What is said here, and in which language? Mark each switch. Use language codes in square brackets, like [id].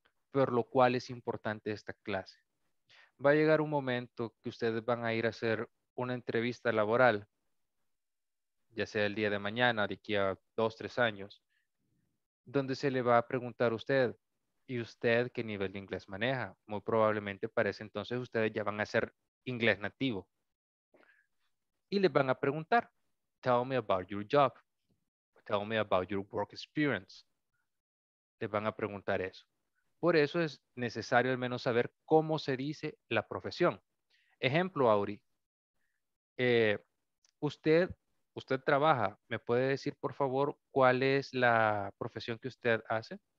[es] Por lo cual es importante esta clase. Va a llegar un momento que ustedes van a ir a hacer una entrevista laboral, ya sea el día de mañana, de aquí a 2, 3 años, donde se le va a preguntar a usted, ¿y usted qué nivel de inglés maneja? Muy probablemente para ese entonces ustedes ya van a ser inglés nativo. Y le van a preguntar, [en] tell me about your job, tell me about your work experience. [es] Le van a preguntar eso. Por eso es necesario al menos saber cómo se dice la profesión. Ejemplo, Auri. Usted trabaja. ¿Me puede decir, por favor, cuál es la profesión que usted hace?